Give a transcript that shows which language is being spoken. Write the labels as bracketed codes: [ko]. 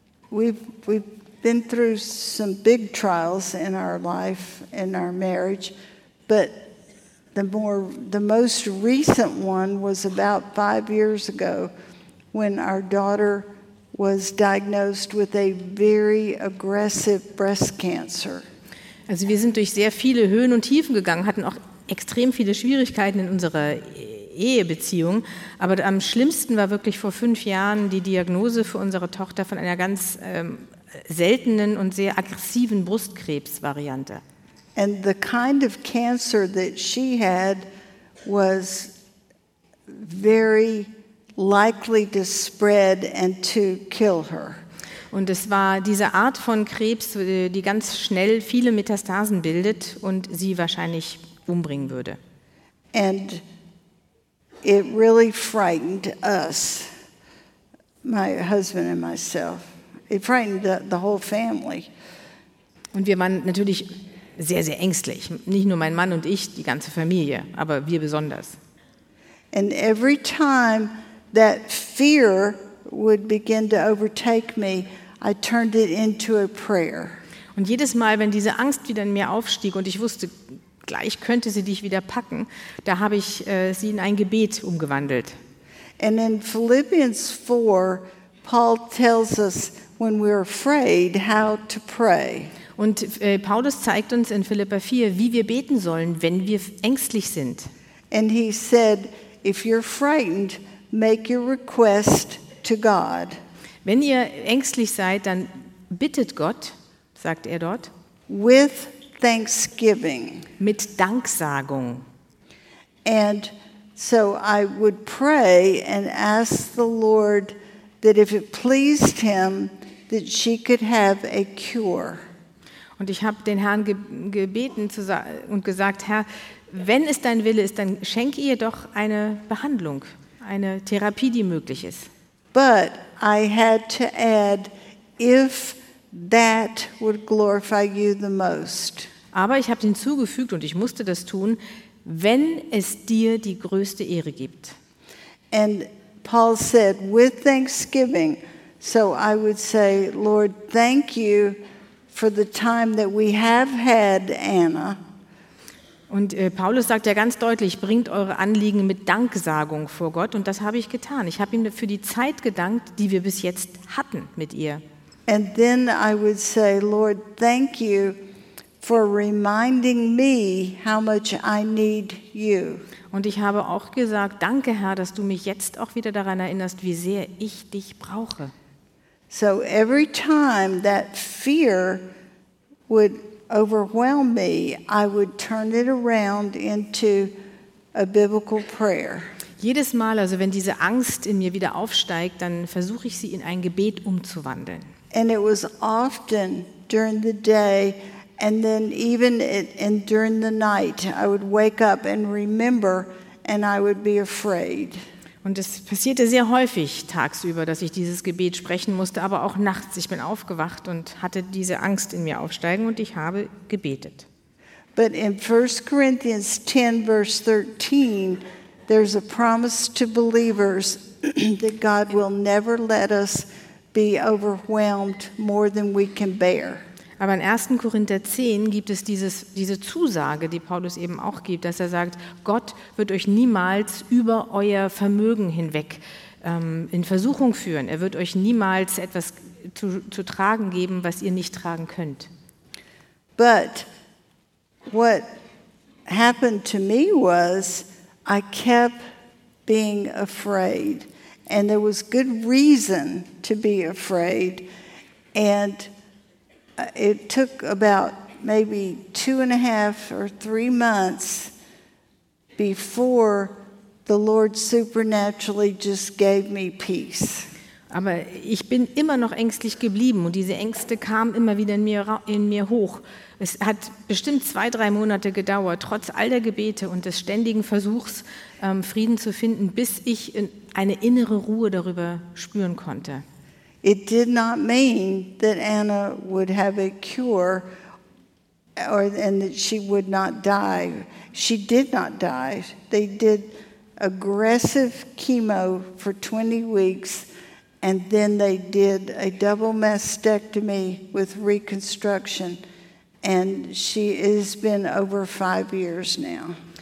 [en] We've been through some big trials in our life, in our marriage, but the most recent one was about 5 years ago when our daughter was diagnosed with a very aggressive breast cancer. [de] Also wir sind durch sehr viele Höhen und Tiefen gegangen, hatten auch extrem viele Schwierigkeiten in unserer Ehebeziehung, aber am schlimmsten war wirklich vor 5 Jahren die Diagnose für unsere Tochter von einer ganz seltenen und sehr aggressiven Brustkrebsvariante. [en] And the kind of cancer that she had was very likely to spread and to kill her. [de] Und es war diese Art von Krebs, die ganz schnell viele Metastasen bildet und sie wahrscheinlich umbringen würde. [en] And it really frightened us, my husband and myself. It frightened the whole family. [de] Und wir waren natürlich sehr, sehr ängstlich. Nicht nur mein Mann und ich, die ganze Familie, aber wir besonders. [en] And every time that fear would begin to overtake me, I turned it into a prayer. [de] Und jedes Mal, wenn diese Angst wieder in mir aufstieg und ich wusste, gleich könnte sie dich wieder packen, da habe ich sie in ein Gebet umgewandelt. [en] And in Philippians 4, Paul tells us when we're afraid how to pray. [de] Und Paulus zeigt uns in Philipper 4, wie wir beten sollen, wenn wir ängstlich sind. [en] And he said, if you're frightened, make your request to God. [de] Wenn ihr ängstlich seid, dann bittet Gott, sagt er dort, [en] with thanksgiving. [de] Mit Danksagung. [en] And so I would pray and ask the Lord that if it pleased him that she could have a cure. [de] Und ich habe den Herrn gebeten und gesagt, Herr, wenn es dein Wille ist, dann schenke ihr doch eine Behandlung. Eine Therapie, die möglich ist. [en] But I had to add, if that would glorify you the most. [de] Aber ich habe hinzugefügt und ich musste das tun, wenn es dir die größte Ehre gibt. [en] And Paul said, with thanksgiving. So I would say, Lord, thank you for the time that we have had, Anna. [de] Und Paulus sagt ja ganz deutlich, bringt eure Anliegen mit Danksagung vor Gott. Und das habe ich getan. Ich habe ihm für die Zeit gedankt, die wir bis jetzt hatten mit ihr. [en] And then I would say, Lord, thank you for reminding me how much I need you. [de] Und ich habe auch gesagt, danke Herr, dass du mich jetzt auch wieder daran erinnerst, wie sehr ich dich brauche. [en] So every time that fear would overwhelm me, I would turn it around into a biblical prayer. [de] Jedes Mal, also wenn diese Angst in mir wieder aufsteigt, dann versuche ich sie in ein Gebet umzuwandeln. [en] And it was often during the day, and then even during the night, I would wake up and remember, and I would be afraid. [de] Und es passierte sehr häufig tagsüber, dass ich dieses Gebet sprechen musste, aber auch nachts. Ich bin aufgewacht und hatte diese Angst in mir aufsteigen und ich habe gebetet. [en] But in 1 Corinthians 10, verse 13, there's a promise to believers that God will never let us be overwhelmed more than we can bear. [de] Aber in 1. Korinther 10 gibt es diese Zusage, die Paulus eben auch gibt, dass er sagt, Gott wird euch niemals über euer Vermögen hinweg in Versuchung führen. Er wird euch niemals etwas zu tragen geben, was ihr nicht tragen könnt. [en] But what happened to me was I kept being afraid, and there was good reason to be afraid. And it took about maybe 2.5 or 3 months before the Lord supernaturally just gave me peace. [de] Aber ich bin immer noch ängstlich geblieben und diese Ängste kamen immer wieder in mir hoch. Es hat bestimmt 2-3 Monate gedauert, trotz all der Gebete und des ständigen Versuchs, Frieden zu finden, bis ich eine innere Ruhe darüber spüren konnte. [en] It did not mean that Anna would have a cure and that she would not die. She did not die. They did aggressive chemo for 20 weeks. And then they did a double mastectomy with reconstruction, and she has been over 5 years now.